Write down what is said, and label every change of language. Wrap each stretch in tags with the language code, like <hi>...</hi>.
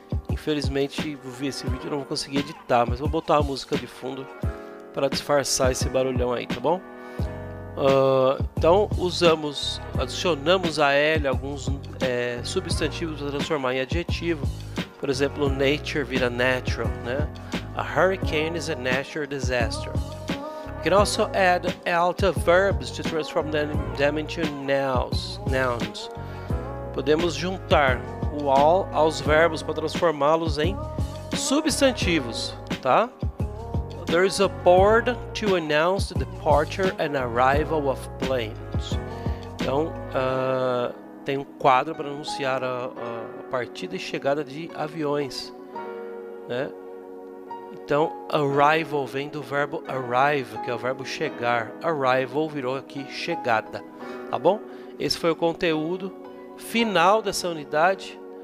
<pt>Infelizmente, vou ver esse vídeo, não vou conseguir editar, mas vou botar a música de fundo para disfarçar esse barulhão aí, tá bom? Então usamos, adicionamos a L alguns substantivos para transformar em adjetivo. Por exemplo, nature vira natural, né?</pt> <en>A hurricane is a natural disaster. You can also add alter verbs to transform them into nouns.</en> <pt>Podemos juntar o all aos verbos para transformá-los em substantivos, tá?</pt> <en>There is a board to announce the departure and arrival of planes.</en> <pt>Então, tem um quadro para anunciar a partida e chegada de aviões, né? Então, arrival vem do verbo arrive, que é o verbo chegar. Arrival virou aqui chegada, tá bom? Esse foi o conteúdo final dessa unidade.</pt>